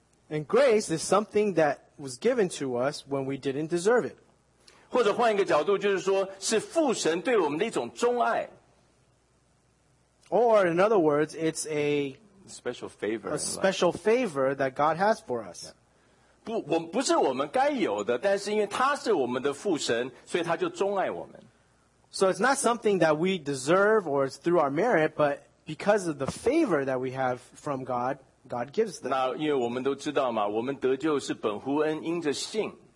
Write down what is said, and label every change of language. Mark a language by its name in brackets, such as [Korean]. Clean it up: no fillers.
[English] And grace is something that was given to us when we didn't deserve it. [Chinese] 或者换一个角度,就是说是父神对我们的一种钟爱。 [English] Or, in other words, it's a special favor. A special favor that God has for us. So it's not something that we deserve or it's through our merit, but because of the favor that we have from God, God gives them. [Chinese] 那因为我们都知道嘛,我们得救是本乎恩,因着信。